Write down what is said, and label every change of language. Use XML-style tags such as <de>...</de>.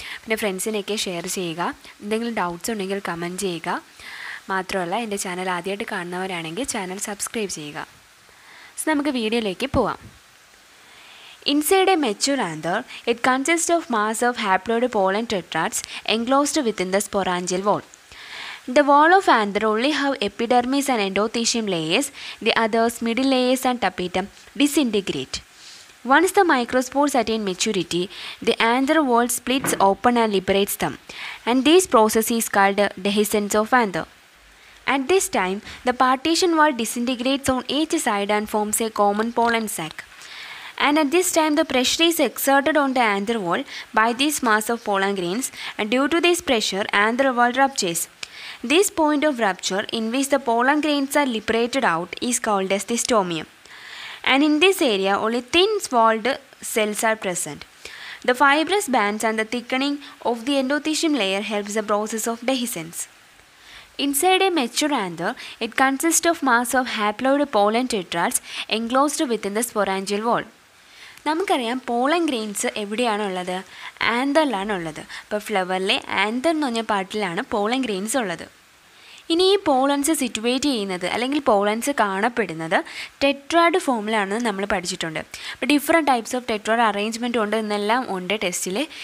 <ml>പിന്നെ ഫ്രണ്ട്സിനെയൊക്കെ ഷെയർ ചെയ്യുക. എന്തെങ്കിലും ഡൗട്ട്സ് ഉണ്ടെങ്കിൽ കമൻറ്റ് ചെയ്യുക. മാത്രമല്ല എൻ്റെ ചാനൽ ആദ്യമായിട്ട് കാണുന്നവരാണെങ്കിൽ ചാനൽ സബ്സ്ക്രൈബ് ചെയ്യുക. നമുക്ക് വീഡിയോയിലേക്ക് പോവാം.</ml> <en>Inside a mature anther, it consist of mass of haploid pollen tetrads enclosed within the sporangial wall. The wall of anther only have epidermis and endothecium layers. The others, middle layers and tapetum, disintegrate. Once the microspores attain maturity, the anther wall splits open and liberates them. And this process is called dehiscence of anther. At this time, the partition wall disintegrates on each side and forms a common pollen sac. And at this time, the pressure is exerted on the anther wall by this mass of pollen grains. And due to this pressure, anther wall ruptures. This point of rupture in which the pollen grains are liberated out is called as the stomium. And in this area, only thin-walled cells are present. The fibrous bands and the thickening of the endothecium layer helps the process of dehiscence. Inside a mature anther, it consists of mass of haploid pollen tetrads enclosed within the sporangial wall.</en> <ml>നമുക്കറിയാം pollen grains എവിടെയാണുള്ളത്? ആന്തറിലാണുള്ളത്. ഇപ്പോൾ ഫ്ലവറിലെ anther എന്ന് പറഞ്ഞ പാട്ടിലാണ് pollen grains ഉള്ളത്. ഇനി ഈ pollens situate ചെയ്യുന്നത് അല്ലെങ്കിൽ pollens കാണപ്പെടുന്നത് ടെട്രാഡ് ഫോമിലാണെന്ന് നമ്മൾ പഠിച്ചിട്ടുണ്ട്. ഇപ്പോൾ</ml> <en>different types of tetrad arrangement</en> <ml>ഉണ്ട് എന്നെല്ലാം ഉണ്ട് ടെസ്റ്റിൽ.</ml>